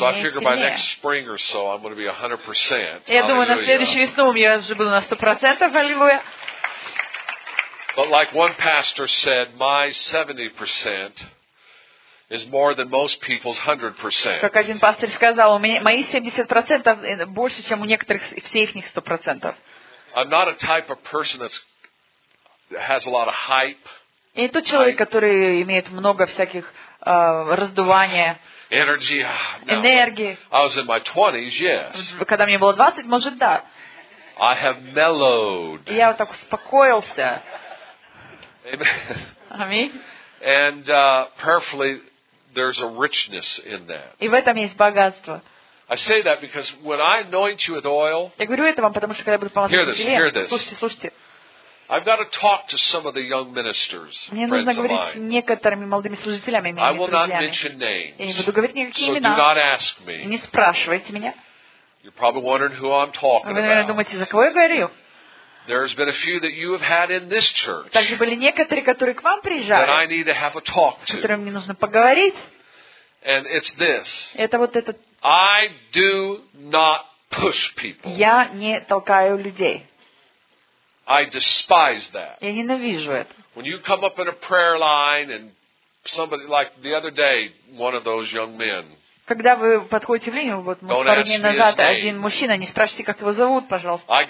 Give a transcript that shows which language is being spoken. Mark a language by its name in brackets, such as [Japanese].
[English] So I figure by next spring or so I'm going to be 100%. [Russian] Я думаю, на следующую весну я уже буду на 100%. Аллилуйя. [English] But like one pastor said, my 70% is more than most people's 100%. [Russian] Как один пастор сказал, мои 70% больше, чем у некоторых всех их 100%. [English] I'm not a type of person that's has a lot of hype. [Russian] И тот человек, который имеет много всяких раздувания. [English] Energy. [Russian] Энергии. [English] I was in my 20s, yes. [Russian] Когда мне было 20, может, да. [English] I have mellowed. [Russian] Я вот так успокоился. [English] Amen. And prayerfully, there's a richness in that. [Russian] И в этом есть богатство. [English] I say that because when I anoint you with oil. [Russian] Я говорю это вам, потому что когда я буду помазывать елеем. [English] Hear this. Hear this. [Russian] Слушайте. [English] I've got to talk to some of the young ministers. [Russian] Мне нужно говорить с некоторыми молодыми служителями, [English] I will not mention names. [Russian] Я не буду говорить никакие имена. [English] So do not ask me. [Russian] Не спрашивайте меня. [English] You're probably wondering who I'm talking about. [Russian] Вы, наверное, думаете, за кого я говорю? [English] There's been a few that you have had in this church. [Russian] Также были некоторые, которые к вам приезжали. [English] That I need to have a talk to. [Russian] С которыми мне нужно поговорить. [English] And it's this. [Russian] Это вот этот. [English] I do not push people. [Russian] Я не толкаю людей. [English] I despise that. [Russian] Я ненавижу это. [English] When you come up in a prayer line and somebody like the other day, one of those young men. [Russian] Когда вы подходите в линию, вот мы пару дней назад, один мужчина, не спрашивайте, как его зовут, пожалуйста.